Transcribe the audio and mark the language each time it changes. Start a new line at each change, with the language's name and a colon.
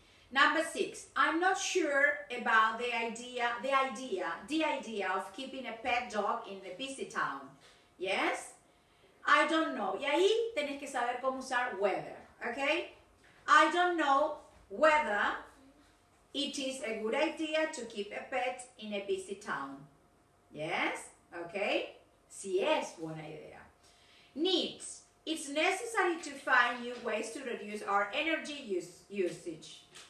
English: Number six, I'm not sure about the idea of keeping a pet dog in the busy town, yes? I don't know.
Spanish: Y ahí tenés que saber cómo usar whether, okay?
English: I don't know whether it is a good idea to keep a pet in a busy town.
Spanish: Yes? Okay? Si es buena idea. Needs.
English: It's necessary to find new ways to reduce our energy usage.